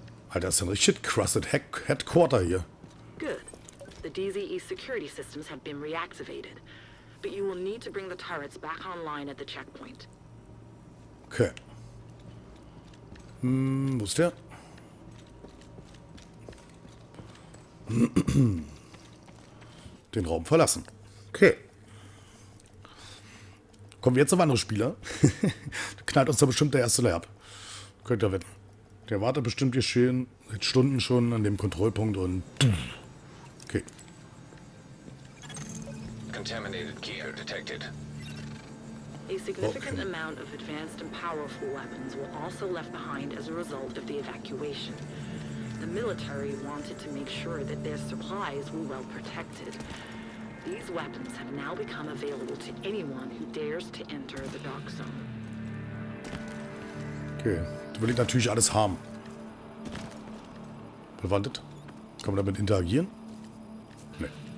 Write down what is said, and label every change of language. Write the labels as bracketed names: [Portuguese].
[German] Alter, das ist ein richtig crusted Headquarter hier. Gut. [English] Die DZE Security Systems have been reactivated. But you will need to bring the turrets back online at the checkpoint. [German] Okay. Wo ist der? Den Raum verlassen. Okay. Kommen wir jetzt auf andere Spieler. Knallt uns da bestimmt der erste Layer ab. Könnt ihr wetten. Der wartet bestimmt hier schön seit Stunden schon an dem Kontrollpunkt und. Okay. [English] Contaminated gear detected. A significant amount of advanced and powerful weapons were also left behind as a result of the evacuation. The military wanted to make sure that their supplies were well protected. These weapons have now become available to anyone who dares to enter the Dark Zone. [German] Okay, da will ich natürlich alles haben. Bewandert? Kann man damit interagieren? Nee.